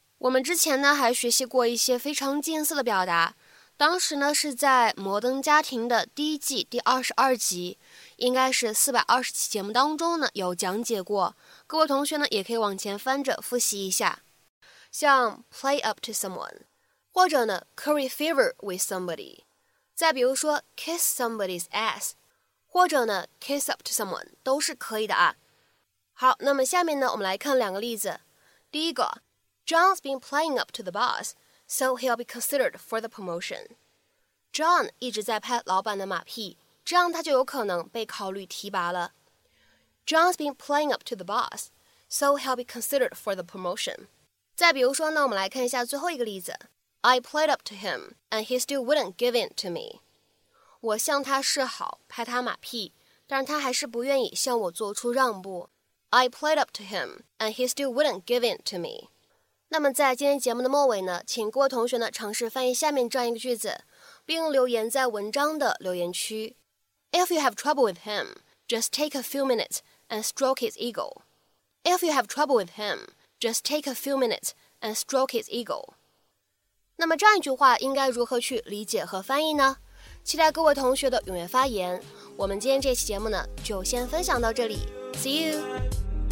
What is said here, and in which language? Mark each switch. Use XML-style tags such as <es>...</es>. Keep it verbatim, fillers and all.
<zh>我们之前呢还学习过一些非常近似的表达，当时呢是在《摩登家庭》的第一季第二十二集，应该是四百二十期节目当中呢有讲解过，各位同学呢也可以往前翻着复习一下。像 play up to someone， 或者呢 curry favor with somebody， 再比如说 kiss somebody's ass， 或者呢 kiss up to someone 都是可以的啊。好，那么下面呢我们来看两个例子。第一个。</zh> <en>John's been playing up to the boss, so he'll be considered for the promotion.</en> <zh>John 一直在拍老板的马屁，这样他就有可能被考虑提拔了。</zh> <en>John's been playing up to the boss, so he'll be considered for the promotion.</en> <zh>再比如说呢，我们来看一下最后一个例子。</zh> <en>I played up to him, and he still wouldn't give in to me.</en> <zh>我向他示好，拍他马屁，但是他还是不愿意向我做出让步。</zh> <en>I played up to him, and he still wouldn't give in to me.</en> <zh>那么在今天节目的末尾呢，请各位同学呢尝试翻译下面这样一个句子，并留言在文章的留言区。</zh> <en>If you have trouble with him, just take a few minutes and stroke his ego. If you have trouble with him, just take a few minutes and stroke his ego.</en> <zh>那么这样一句话应该如何去理解和翻译呢？期待各位同学的踊跃发言。我们今天这期节目呢就先分享到这里。</zh> <en>See you!</en>